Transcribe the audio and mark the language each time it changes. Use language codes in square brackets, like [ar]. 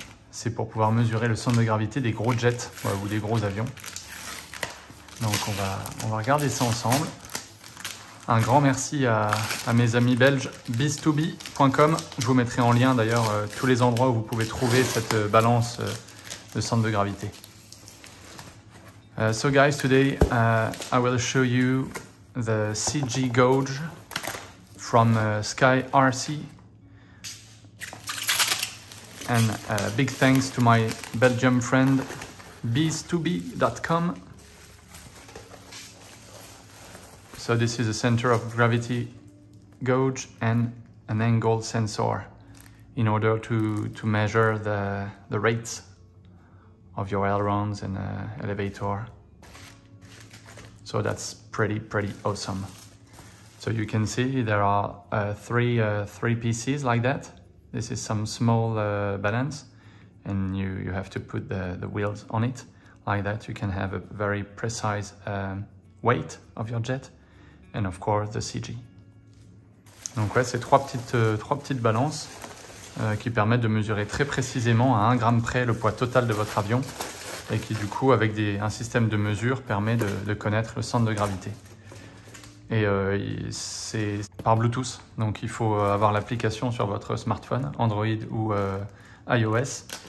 [fr] C'est pour pouvoir mesurer le centre de gravité des gros jets ou des gros avions. Donc on va regarder ça ensemble. Un grand merci à mes amis belges, biz2b.com. Je vous mettrai en lien d'ailleurs tous les endroits où vous pouvez trouver cette balance de centre de gravité. [en] So guys, today I will show you the CG gauge from SkyRC. And a big thanks to my Belgium friend, biz2b.com. So this is a center of gravity gauge and an angle sensor in order to measure the rates of your ailerons and elevator. So that's pretty awesome. So you can see there are three pieces like that. This is some small balance, and you have to put the wheels on it. Like that you can have a very precise weight of your jet. And of course the CG. [fr] Donc ouais, c'est trois petites balances qui permettent de mesurer très précisément à 1 gramme près le poids total de votre avion et qui du coup avec un système de mesure permet de connaître le centre de gravité. Et c'est par Bluetooth, donc il faut avoir l'application sur votre smartphone, Android ou iOS.